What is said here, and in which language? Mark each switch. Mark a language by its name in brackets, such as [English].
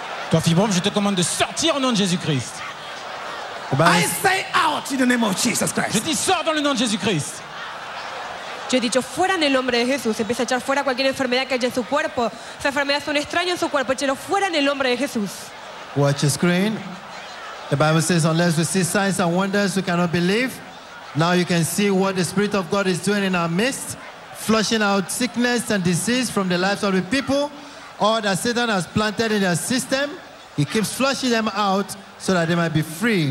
[French] Toi fibrome, je te commande de sortir au nom de Jésus Christ. [English] I say out in the name of Jesus Christ. [French] Je dis sors dans le nom de Jésus Christ. [Spanish] Yo he dicho fuera en el nombre de Jesús. Empieza a echar fuera cualquier enfermedad que haya en su cuerpo. Esa enfermedad es un extraño en su cuerpo. Échelo fuera en el nombre de Jesús. [English] Watch your screen. The Bible says, unless we see signs and wonders, we cannot believe. Now you can see what the Spirit of God is doing in our midst, flushing out sickness and disease from the lives of the people. All that Satan has planted in their system, he keeps flushing them out so that they might be free.